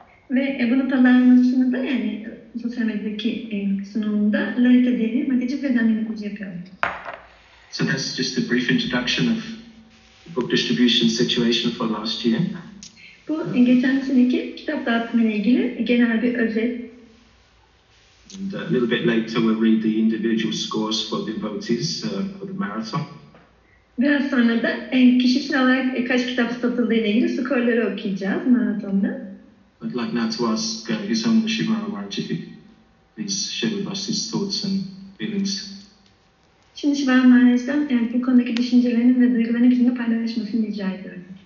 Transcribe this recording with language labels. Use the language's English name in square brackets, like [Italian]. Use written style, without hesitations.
[Turkish] Ve bunun pazarlamasını da yani sosyal medyadaki sunumunda Lalita Devi, Mataji ve Danya Mataji yapıyorlar. [English] So that's just a brief introduction of the book distribution situation for last year. [Turkish] Bu geçen seneki kitap dağıtımıyla ilgili genel bir özet. [English] And a little bit later we'll read the individual scores for the devotees for the marathon. [Turkish] Biraz sonra da kişisel olarak kaç kitap satıldığıyla ilgili skorları okuyacağız maratonda. [English] I'd like now to ask his own Shimara Maharaj if he please share with us his thoughts and feelings. [Turkish] Şimdi Shimara Maharaj'dan bu konudaki düşüncelerini ve duygularını bizimle paylaşmasını rica ediyorum.